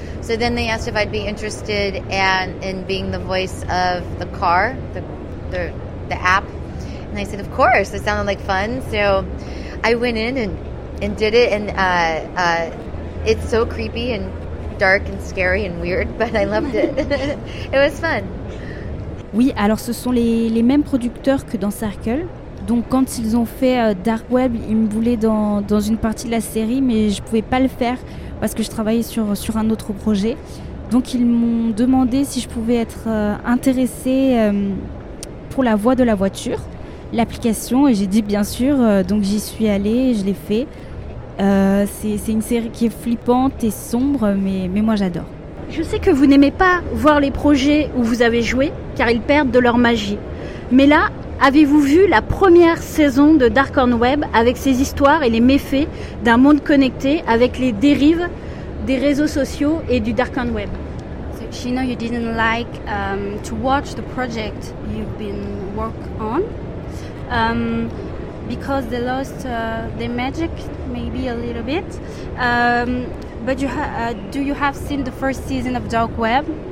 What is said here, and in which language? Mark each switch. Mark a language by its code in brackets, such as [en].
[en] So then they asked if I'd be interested in being the voice of the car, the app, and I said of course. It sounded like fun, so I went in and did it, and it's so creepy and dark and scary and weird, but I loved it. It was fun. [fr] Oui, alors ce sont les mêmes producteurs que dans Circle. Donc quand ils ont fait Dark Web, ils me voulaient dans une partie de la série, mais je ne pouvais pas le faire parce que je travaillais sur un autre projet. Donc ils m'ont demandé si je pouvais être intéressée pour la voix de la voiture, l'application, et j'ai dit bien sûr. Donc j'y suis allée, je l'ai fait. C'est une série qui est flippante et sombre, mais moi j'adore. Je sais que vous n'aimez pas voir les projets où vous avez joué, car ils perdent de leur magie. Mais là, avez-vous vu la première saison de Dark on Web avec ses histoires et les méfaits d'un monde connecté avec les dérives des réseaux sociaux et du Dark on Web? [en] So, she know you didn't like to watch the project you've been work on because they lost their magic maybe a little bit. But do you have seen the first season of Dark Web?